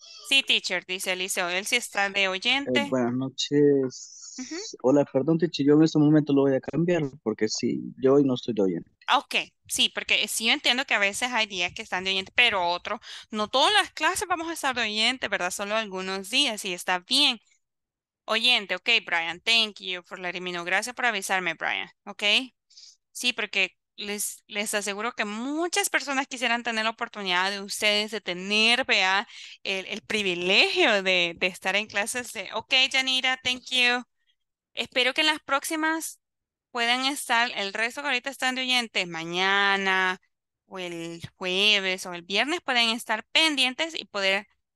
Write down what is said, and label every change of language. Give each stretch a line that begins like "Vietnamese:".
Spanish: Sí, teacher, dice Eliseo, él sí está de oyente. Buenas noches. Uh-huh. Hola, perdón, teacher, yo en este momento lo voy a cambiar porque sí, yo hoy no estoy de oyente. Ok, sí, porque sí yo entiendo que a veces hay días que están de oyente, pero otro, no todas las clases vamos a estar de oyente, ¿verdad? Solo algunos días y está bien.
English: Oyente, ok, Brian, thank you for letting me know.
Spanish: Gracias por avisarme, Brian, ok. Sí, porque les aseguro que muchas personas quisieran tener la oportunidad de ustedes de tener, vea, el privilegio de estar en clases. De, ok, Yanira,
English: thank you.
Spanish: Espero que en las próximas puedan estar, el resto que ahorita están de oyentes, mañana o el jueves o el viernes, pueden estar pendientes y poder...